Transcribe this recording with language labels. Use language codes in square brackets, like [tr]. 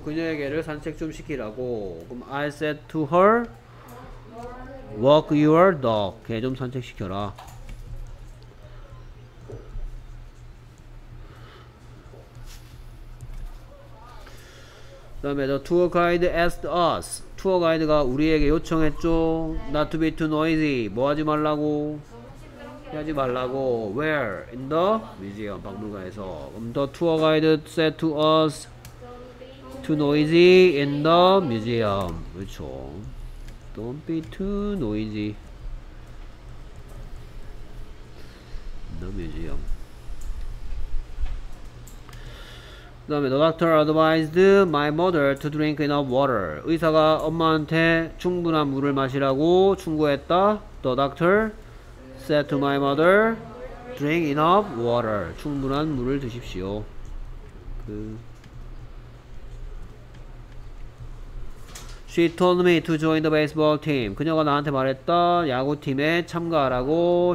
[ko] 그녀에게를 산책 좀 시키라고. 그럼 [en] I said to her walk your dog. [ko] 걔 좀 산책 시켜라. 그 다음에 [en] the tour guide asked us. [ko] 투어 가이드가 우리에게 요청했죠. [en] Not to be too noisy. [ko] 뭐 하지 말라고? 하지 말라고. [en] Where? In the museum. [ko] 박물관에서. [en] The tour guide said to us too noisy in the museum. [ko] 그렇죠. [en] Don't be too noisy in the museum. [ko] 그 다음에 [en] the doctor advised my mother to drink enough water. [ko] 의사가 엄마한테 충분한 물을 마시라고 충고했다. [en] The doctor said to my mother, drink enough water. [ko] 충분한 물을 드십시오. [en] 그 She told me to join the baseball team. [ko] 그녀가 나한테 말했다. 야구팀에 참가하라고.